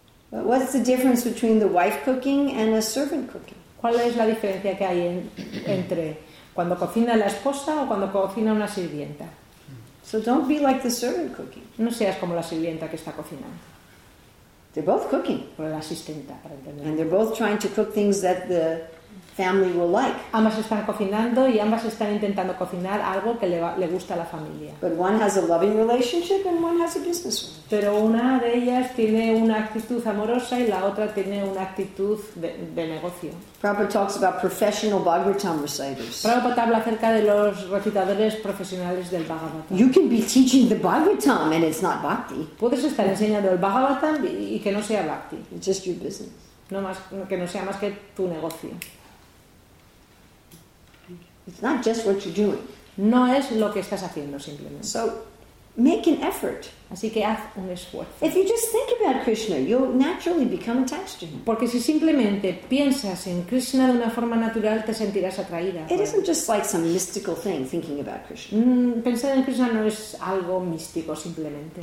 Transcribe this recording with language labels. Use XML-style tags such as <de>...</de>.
<en>But what's the difference between the wife cooking and a servant cooking?</en> <es>¿Cuál es la diferencia que hay entre cuando cocina la esposa o cuando cocina una sirvienta?</es> <en>So don't be like the servant cooking.</en> <es>No seas como la sirvienta que está cocinando.</es> <en>They're both cooking.</en> <es>Por la asistenta, para entender.</es> <en>And they're both trying to cook things that the family will like.</en> <es>Ambas están cocinando y ambas están intentando cocinar algo que le gusta a la familia.</es> <en>But one has a loving relationship and one has a business relationship.</en> <es>Pero una de ellas tiene una actitud amorosa y la otra tiene una actitud de negocio.</es> <en>Prabhupada talks about professional Bhagavatam reciters.</en> <es>Prabhupada habla acerca de los recitadores profesionales del Bhagavatam.</es> <en>You can be teaching the Bhagavatam and it's not bhakti.</en> <es>Puedes estar enseñando el Bhagavatam y que no sea bhakti.</es> <en>It's just your business.</en> <es>No más, que no sea más que tu negocio.</es> <en>It's not just what you're doing.</en> <es>No es lo que estás haciendo simplemente.</es> <en>So make an effort.</en> <es>Así que haz un esfuerzo.</es> <en>If you just think about Krishna, you'll naturally become attached to him.</en> <es>Porque si simplemente piensas en Krishna de una forma natural, te sentirás atraída.</es> <en>It isn't just like some mystical thing thinking about Krishna.</en> <es>Pensar en Krishna no es algo místico simplemente.</es>